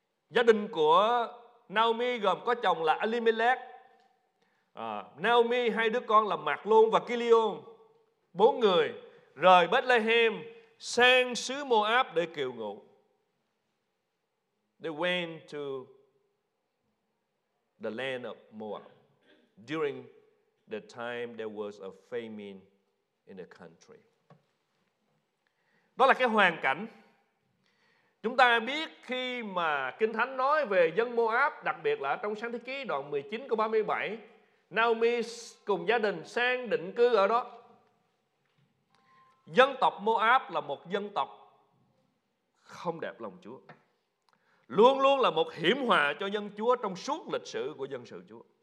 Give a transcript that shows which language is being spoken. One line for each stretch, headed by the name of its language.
Vietnamese: Gia đình của Naomi gồm có chồng là Elimelech, Naomi, hai đứa con là Mạc Lôn và Kilion, bốn người rời Bethlehem sang xứ Moab để kiều ngụ.
English: They went to the land of Moab during the time there was a famine in the country.
Vietnamese: Đó là cái hoàn cảnh. Chúng ta biết khi mà Kinh Thánh nói về dân Moab, đặc biệt là trong Sáng Thế Ký đoạn 19 câu 37, Naomi cùng gia đình sang định cư ở đó. Dân tộc Moab là một dân tộc không đẹp lòng Chúa, luôn luôn là một hiểm họa cho dân Chúa trong suốt lịch sử của dân sự Chúa.